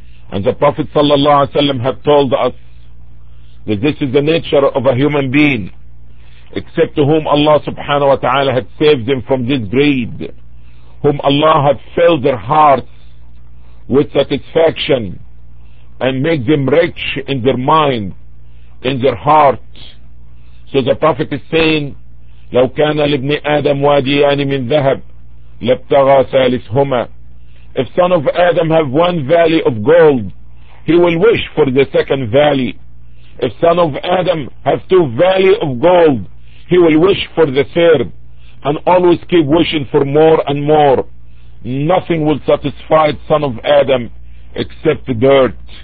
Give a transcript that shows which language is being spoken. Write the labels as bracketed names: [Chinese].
[English] And the Prophet sallallahu alaihi wasallam had told us that this is the nature of a human being, except to whom Allah subhanahu wa ta'ala had saved them from this greed, whom Allah had filled their hearts with satisfaction and made them rich in their mind, in their heart. So the Prophet is saying, [Arabic] لو كان لابن آدم واديان من ذهب لابتغى ثالثهما. [English] If son of Adam have one valley of gold, he will wish for the second valley. If son of Adam have two valley of gold, he will wish for the third, and always keep wishing for more and more. Nothing will satisfy the son of Adam except the dirt.